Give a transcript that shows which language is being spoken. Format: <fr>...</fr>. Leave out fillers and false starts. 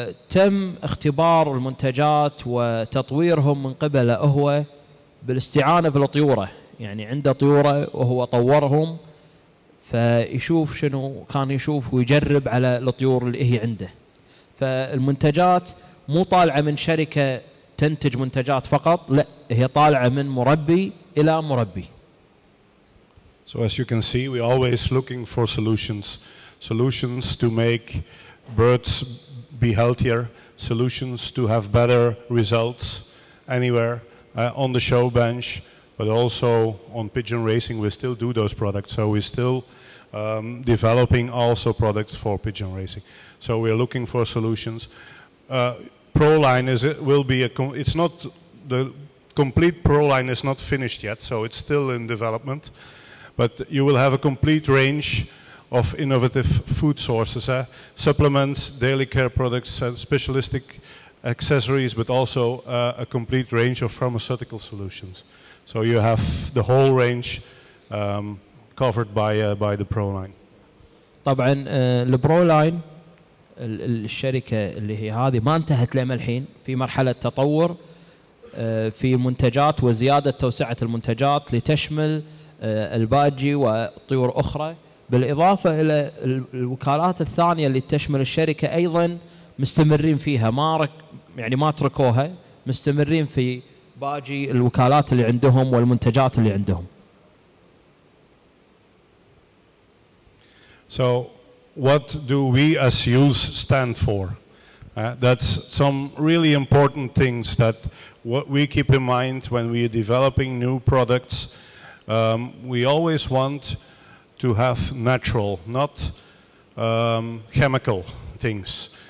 <ar>تم اختبار المنتجات وتطويرهم من قبله هو بالاستعانة بالطيورة, يعني عنده طيورة وهو طورهم فيشوف شنو كان يشوف ويجرب على الطيور اللي هي عنده. فالمنتجات مو طالعة من شركة تنتج منتجات فقط, لا هي طالعة من مربي إلى مربي.</ar> <en>So as you can see, we always looking for solutions to make birds be healthier, solutions to have better results anywhere on the show bench, but also on pigeon racing. We still do those products, so we're still developing also products for pigeon racing. So we're looking for solutions. Proline is it will be a com it's not the complete Proline is not finished yet, so it's still in development, but you will have a complete range of innovative food sources, supplements, daily care products, and specialistic accessories, but also a complete range of pharmaceutical solutions. So you have the whole range covered by the Proline.</en> <ar>طبعا البرولاين الشركة اللي هي هذه ما انتهت لما الحين في مرحلة تطور في منتجات وزيادة توسعة المنتجات لتشمل الباجي وطيور أخرى. بالإضافة إلى الوكالات الثانية اللي تشمل الشركة أيضا مستمرين فيها, يعني ما تركوها, مستمرين في باقي الوكالات اللي عندهم والمنتجات اللي عندهم.</ar> <en>So what do we as Yules stand for? That's some really important things that what we keep in mind when we are developing new products. We always want to have natural, not chemical things.</en>